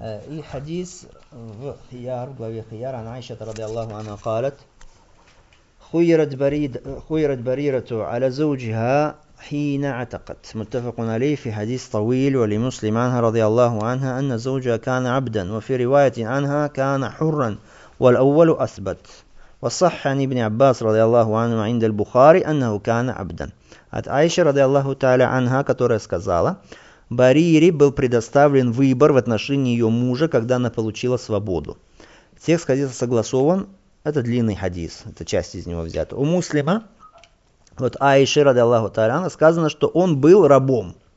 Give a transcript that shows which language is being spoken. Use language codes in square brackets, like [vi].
[ru] И хадис в Хияр, в главе Хияр, она Айша ради Аллаху она [ar] قالت: خيرت بريرة على زوجها حين اعتقت. متفق عليه في حديث طويل. ولمسلم عنها رضي الله عنها أن زوجها كان عبدا، وفي رواية عنها كان حرا، والأول أثبت. وصح عن ابن عباس رضي الله عنه عند البخاري أنه كان عبدا. [ru] От Айши [ar] رضي الله تعالى عنها, [ru] которая сказала: Барири был предоставлен выбор в отношении ее мужа, когда она получила свободу. Текст хадиса согласован. Это длинный хадис, это часть из него взята. У муслима, вот Аиши, ради Аллаху Таалана, сказано, что он был рабом.